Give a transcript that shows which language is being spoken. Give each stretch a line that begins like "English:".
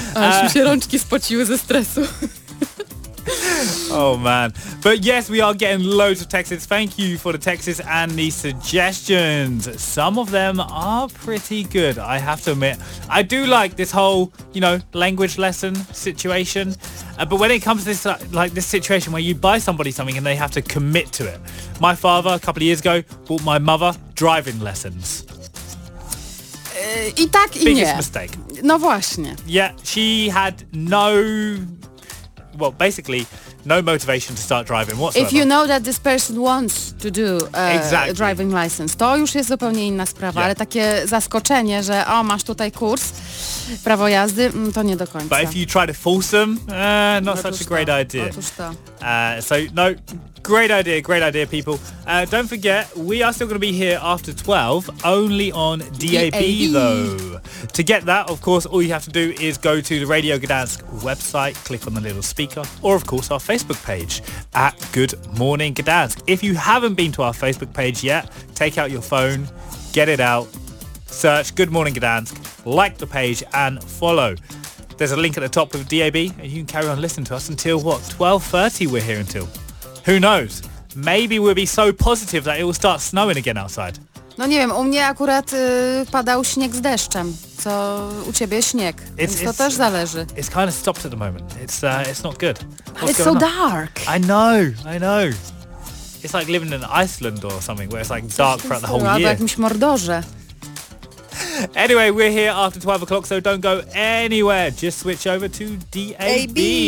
Polish: Aż mi się rączki spociły ze stresu.
English: Oh man. But yes, we are getting loads of texts. Thank you for the texts and the suggestions. Some of them are pretty good, I have to admit. I do like this whole, language lesson situation. But when it comes to this this situation where you buy somebody something and they have to commit to it. My father a couple of years ago bought my mother driving lessons.
Polish: I tak i
English: biggest
Polish: nie.
English: Mistake.
Polish: No właśnie.
English: Yeah, she had no... Well, basically, no motivation to start driving whatsoever. If you know that this person wants to do exactly. driving license,
Polish: to już jest zupełnie inna sprawa, yeah. ale takie zaskoczenie, że o, masz tutaj kurs, prawo jazdy, to nie do końca.
English: But if you try to force them, not such a great idea.
Polish: Otóż to.
English: So, no... great idea, people. Don't forget, we are still going to be here after 12, only on DAB, though. To get that, of course, all you have to do is go to the Radio Gdansk website, click on the little speaker, or, of course, our Facebook page, at Good Morning Gdansk. If you haven't been to our Facebook page yet, take out your phone, get it out, search Good Morning Gdansk, like the page, and follow. There's a link at the top of DAB, and you can carry on listening to us until, what, 12:30 we're here until. Who knows? Maybe we'll be so positive that it will start snowing again outside.
Polish: No nie wiem, u mnie akurat padał śnieg z deszczem. Co u ciebie śnieg. To też zależy.
English: It's kind of stopped at the moment. It's not good. But it's so dark. I know. It's like living in Iceland or something where it's like dark throughout the whole year.
Polish: Albo jakimś Mordorze.
English: Anyway, we're here after 12 o'clock, so don't go anywhere. Just switch over to DAB.